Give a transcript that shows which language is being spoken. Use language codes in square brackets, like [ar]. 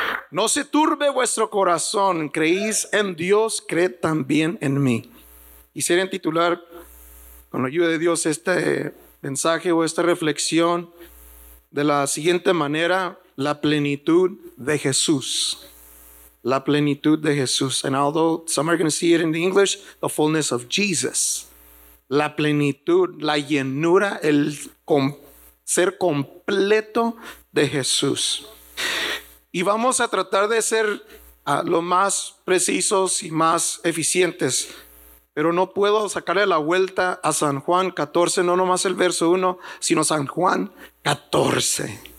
[es] No se turbe vuestro corazón, creéis en Dios, creed también en mí. Quisiera titular, con la ayuda de Dios, este mensaje o esta reflexión de la siguiente manera: la plenitud de Jesús. La plenitud de Jesús. [en] And although some are going to see it in the English, the fullness of Jesus. [es] La plenitud, la llenura, el ser completo de Jesús. Y vamos a tratar de ser lo más precisos y más eficientes, pero no puedo sacarle la vuelta a San Juan 14, no nomás el verso 1, sino San Juan 14.